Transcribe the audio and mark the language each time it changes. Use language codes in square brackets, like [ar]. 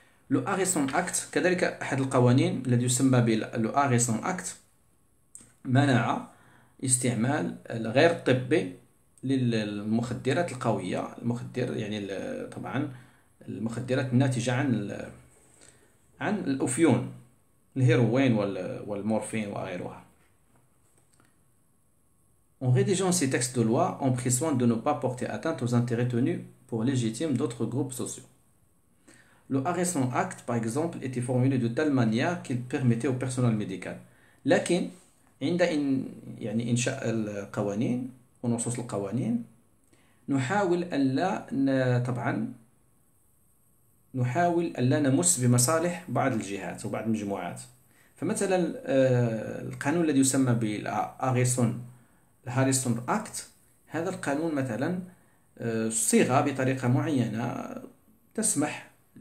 [ar] لو أغيسون أكت كذلك أحد القوانين الذي يسمى بلو أغيسون أكت منع استعمال الغير طبي للمخدرات القوية، المخدر يعني طبعا المخدرات الناتجة عن الأفيون، الهيروين والمورفين وغيرها. [fr] En rédigeant ces textes de loi, on prit soin de ne pas porter atteinte aux intérêts tenus pour légitimes d'autres groupes sociaux. Le Harrison Act, par exemple, était formulé de telle manière qu'il permettait au personnel médical. [ar] لكن عند إن يعني إنشاء القوانين ونصوص القوانين نحاول أن لا ن... طبعا نحاول أن لا نمس بمصالح بعض الجهات وبعض المجموعات. فمثلا القانون الذي يسمى بالأغيسون الهاريسون أكت، هذا القانون مثلا صيغ بطريقة معينة تسمح